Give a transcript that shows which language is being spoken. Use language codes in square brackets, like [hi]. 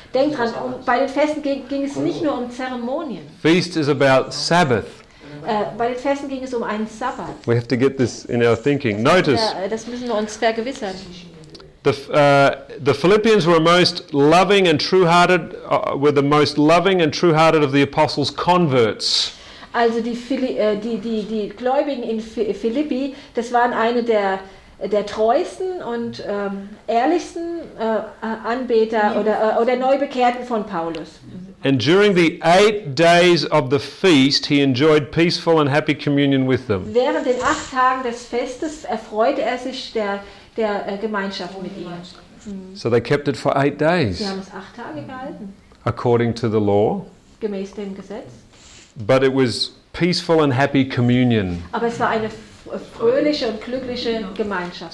[de] Denk dran, bei den Festen ging es nicht nur um Zeremonien. [en] Feast is about Sabbath. [de] Bei den Festen ging es um einen Sabbat. [en] We have to get this in our thinking. Notice. [de] Das müssen wir uns vergewissern. [en] The Philippians were most loving and true-hearted. Were the most loving and true-hearted of the apostles' converts. [de] Also die Gläubigen in Philippi, das waren eine der treuesten und ehrlichsten Anbeter oder Neubekehrten von Paulus. [en] And during the 8 days of the feast, he enjoyed peaceful and happy communion with them. [de] Während den 8 Tagen des Festes erfreute er sich der Gemeinschaft mit ihnen. [en] So they kept it for 8 days. [de] Sie haben es 8 Tage gehalten. [en] According to the law. [de] Gemäß dem Gesetz. [en] But it was peaceful and happy communion. [de] Aber es war eine fröhliche und glückliche Gemeinschaft.